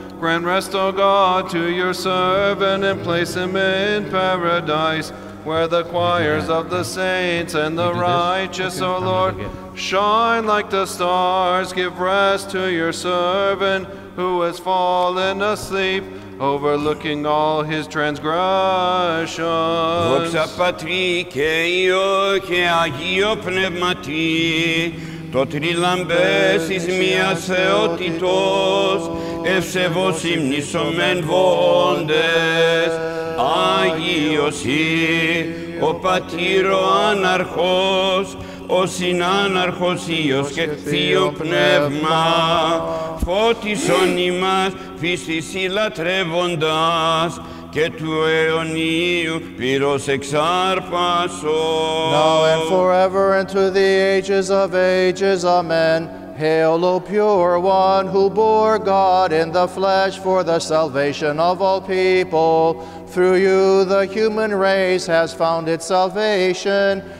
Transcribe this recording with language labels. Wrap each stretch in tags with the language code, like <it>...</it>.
<en>Grant rest, O God, to your servant, and place him in paradise. where the choirs of the saints and the righteous, O Lord, shine like the stars. Give rest to your servant who has fallen asleep, overlooking all his transgressions.</en> <el>Δόξα Πατρί και Υιώ και Αγίω Πνεύματι, το τριλαμπές εις μία θεότητος, ευσεβώς υμνησομέν βόντες. Άγιος Υι, ο Πατήρ ο Άναρχος, ο Συνάναρχος Υιός και Θείο Πνεύμα, φώτισον ημάς πίστης η λατρεύοντας και του αιωνίου πυρός εξάρπασον.</el> <en>Now and forever and to the ages of ages, amen. Hail, O pure one, who bore God in the flesh for the salvation of all people. Through you the human race has found its salvation.</en>